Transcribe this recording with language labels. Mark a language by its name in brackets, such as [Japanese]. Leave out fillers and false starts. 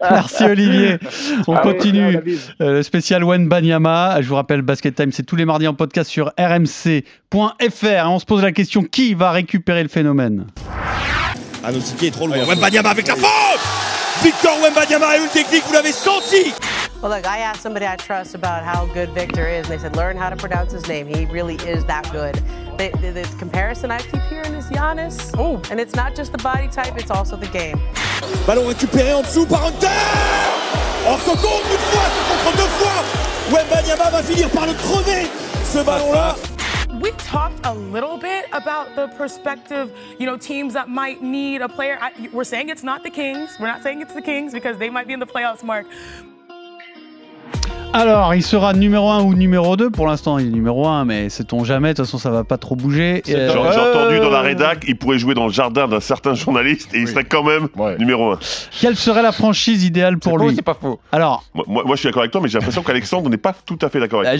[French] Merci Olivier. On continue le spécial Wembanyama. Je vous rappelle, Basket Time, c'est tous les mardis en podcast sur rmc.fr. On se pose la question, qui va récupérer le phénomène? Ah non, c'est qui est trop loin. Wembanyama avec la faute. Victor Wembanyama a eu le déclic, vous l'avez senti. [English] Well, look, I asked somebody I trust about how good Victor is, and they said, learn how to pronounce his name. He really is that good. The comparison I keep hearing is Giannis. Oh. And it's not just the body type, it's also the game. [French] Ballon récupéré en dessous par Hunter. Oh, ce contre, une fois, ce contre, deux fois. Wembanyama va finir par le crever, ce ballon-là. [English] We talked a little bit about the perspective, you know, teams that might need a player. We're saying it's not the Kings. We're not saying it's the Kings because they might be in the playoffs, Mark. [French] Alors, il sera numéro 1 ou numéro 2. Pour l'instant, il est numéro 1, mais sait-on jamais. De toute façon, ça ne va pas trop bouger. J'ai entendu dans la rédac, il pourrait jouer dans le jardin d'un certain journaliste et oui. Il serait quand même ouais. Numéro 1. Quelle serait la franchise idéale pour c'est lui faux, c'est pas faux. Alors, moi, je suis d'accord avec toi, mais j'ai l'impression qu'Alexandre n'est pas tout à fait d'accord avec toi.